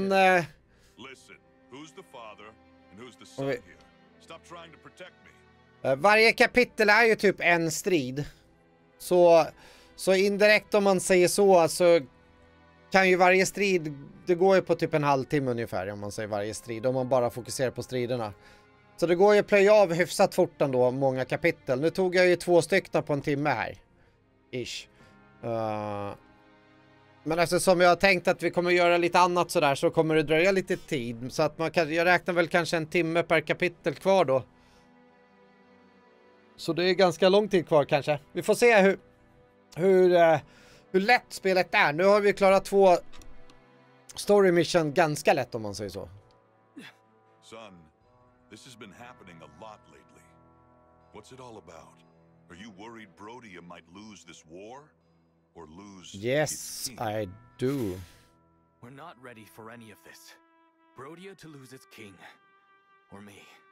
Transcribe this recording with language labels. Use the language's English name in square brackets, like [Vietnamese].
[English] listen, who's the father and who's the son here? Stop trying to protect me. [Swedish] Varje kapitel är ju typ en strid. Så indirekt om man säger så kan ju varje strid, det går ju på typ en halvtimme ungefär om man säger varje strid, om man bara fokuserar på striderna. Så det går ju att plöja av hyfsat fort ändå, många kapitel. Nu tog jag ju 2 stycken på en timme här, ish. Men eftersom jag har tänkt att vi kommer göra lite annat sådär så kommer det dröja lite tid. Så att man kan, jag räknar väl kanske en timme per kapitel kvar då. Så det är ganska lång tid kvar kanske. Vi får se hur lätt spelet är. Nu har vi klarat 2 story mission ganska lätt om man säger så. [English] Son, this has been happening a lot lately. What's it all about? Are you worried Brodia might lose this war or lose? Yes, I do. We're not ready for any of this. Brodia to lose its king or me.